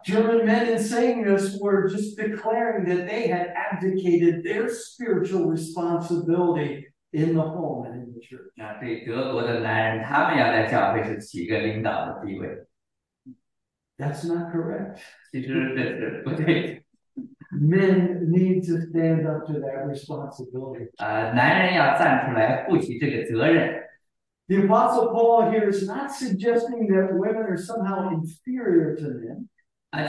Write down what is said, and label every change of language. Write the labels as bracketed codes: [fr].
[en] German men in saying this were just declaring that they had abdicated their spiritual responsibility in the home and in the church. [zh] 那对德国的男人，他们要在教会是起一个领导的地位。 [en] That's not correct. [zh] 其实这是不对的。 [en] Men need to stand up to that responsibility. [zh] 男人要站出来负起这个责任。 [en] The Apostle Paul here is not suggesting that women are somehow inferior to men.